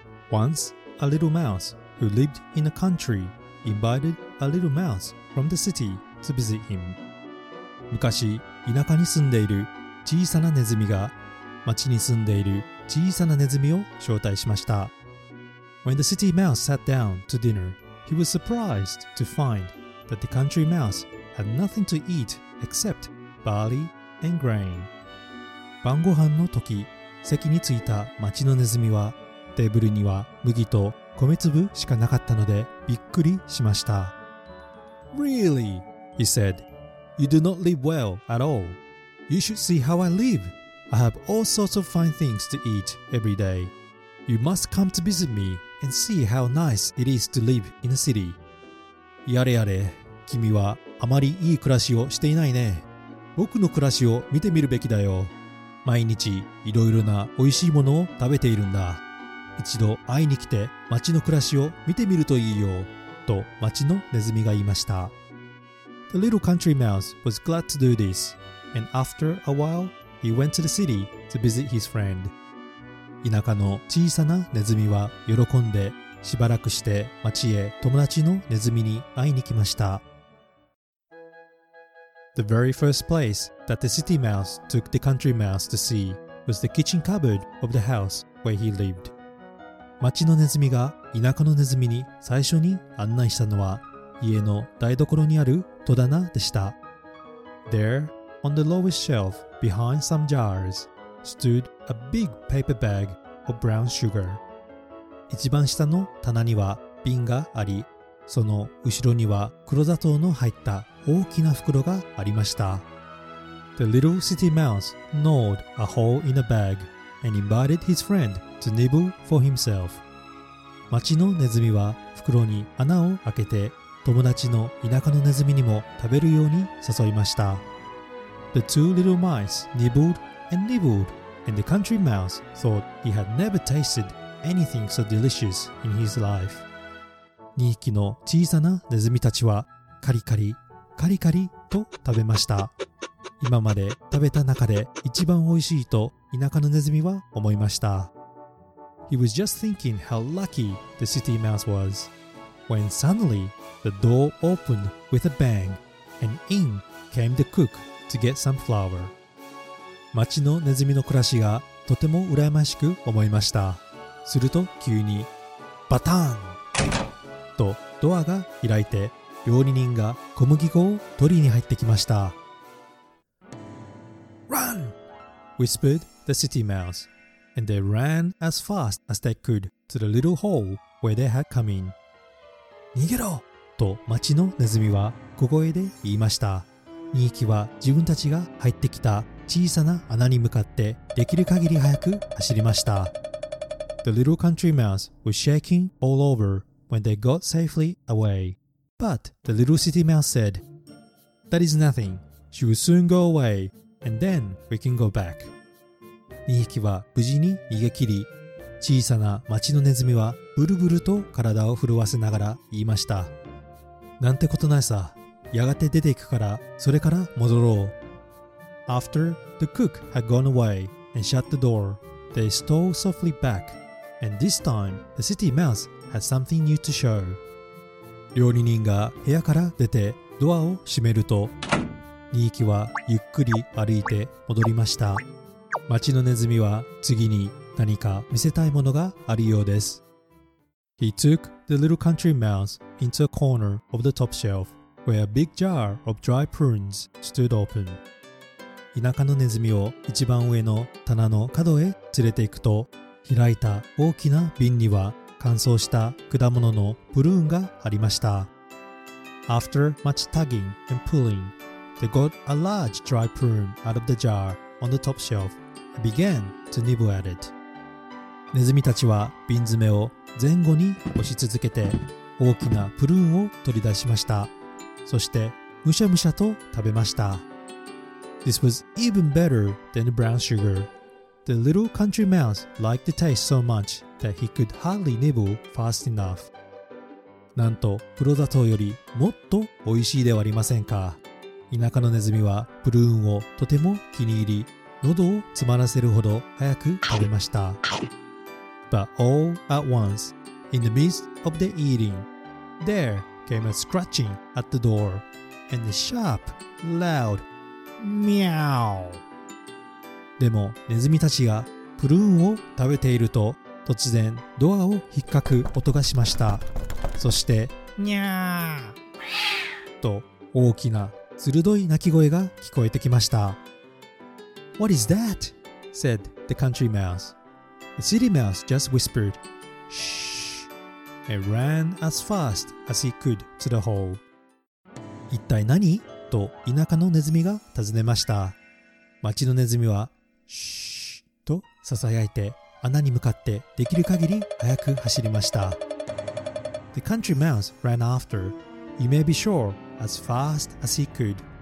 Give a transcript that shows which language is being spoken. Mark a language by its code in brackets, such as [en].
[en] Once a little mouse who lived in the country invited a little mouse from the city to visit him。 [ja] 昔田舎に住んでいる小さなネズミが町に住んでいる小さなネズミを招待しました。 [en] When the city mouse sat down to dinner, he was surprised to find that the country mouse had nothing to eat except barley and grain. [ja] 晩ご飯の時、席に着いた町のネズミはテーブルには麦と米粒しかなかったのでびっくりしました。 [en] Really? he said. You do not live well at all. You should see how I live. I have all sorts of fine things to eat every day. You must come to visit me and see how nice it is to live in a city. [ja] やれやれ、君はあまりいい暮らしをしていないね。僕の暮らしを見てみるべきだよ。毎日いろいろな美味しいものを食べているんだ。一度会いに来て町の暮らしを見てみるといいよ、と町のネズミが言いました。 [en] The little country mouse was glad to do this, and after a whileHe went to the city to visit his friend. [ja] 田舎の小さなネズミは喜んで、しばらくして町へ友達のネズミに会いに来ました。 [en] The very first place that the city mouse took the country mouse to see was the kitchen cupboard of the house where he lived. [ja] 町のネズミが田舎のネズミに最初に案内したのは、家の台所にある戸棚でした。 [en] There, On the lowest shelf, behind some jars, stood a big paper bag of brown sugar. [ja] 一番下の棚には瓶があり、その後ろには黒砂糖の入った大きな袋がありました。 [en] The little city mouse gnawed a hole in a bag and invited his friend to nibble for himself. [ja] 町のネズミは袋に穴を開けて、友達の田舎のネズミにも食べるように誘いました。 [en] The two little mice nibbled, and the country mouse thought he had never tasted anything so delicious in his life. [ja] 2匹の小さなネズミたちはカリカリ、カリカリと食べました。今まで食べた中で一番おいしいと田舎のネズミは思いました。 [en] He was just thinking how lucky the city mouse was, when suddenly the door opened with a bang, and in came the cook to get some flour. [ja] 町のネズミの暮らしがとても羨ましく思いました。すると急にバターンとドアが開いて、料理人が小麦粉を取りに入ってきました。 [en] Run! Whispered the city mouse, and they ran as fast as they could to the little hole where they had come in. [ja] 逃げろと町のネズミは小声で言いました。 2匹は自分たちが入ってきた小さな穴に向かってできる限り早く走りました。 [en] The little country mouse was shaking all over when they got safely away. But the little city mouse said, That is nothing. She will soon go away, and then we can go back. [ja] 2匹は無事に逃げ切り、小さな町のネズミはブルブルと体を震わせながら言いました。なんてことないさ。やがて出ていくから、それから戻ろう。 [en] After the cook had gone away and shut the door, they stole softly back. And this time, the city mouse had something new to show. [ja] 料理人が部屋から出てドアを閉めると、2匹はゆっくり歩いて戻りました。町のネズミは次に何か見せたいものがあるようです。 [en] He took the little country mouse into a corner of the top shelf, where a big jar of dry prunes stood open. [ja] 田舎のネズミを一番上の棚の角へ連れて行くと、開いた大きな瓶には乾燥した果物のプルーンがありました。 [en] After much tugging and pulling, they got a large dry prune out of the jar on the top shelf and began to nibble at it. [ja] ネズミたちは瓶詰めを前後に押し続けて、大きなプルーンを取り出しました。そしてむしゃむしゃと食べました。 [en] This was even better than the brown sugar. The little country mouse liked the taste so much that he could hardly nibble fast enough. [ja] なんと黒砂糖よりもっと美味しいではありませんか。田舎のネズミはプルーンをとても気に入り、喉を詰まらせるほど早く食べました。 [en] But all at once, in the midst of the eating, there came a scratching at the door, and a sharp, loud meow. [ja] でもネズミたちがプルーンを食べていると、突然ドアを引っかく音がしました。そしてニャーと大きな鋭い鳴き声が聞こえてきました。 [en] What is that? said the country mouse. The city mouse just whispered, Shh, and ran as fast as he could to the hole. [ja] 一体何? と田舎のネズミが尋ねました。町のネズミは、Shh, と囁いて穴に向かってできる限り速く走りました。 [en] The country mouse ran after, you may be sure, as fast as he could.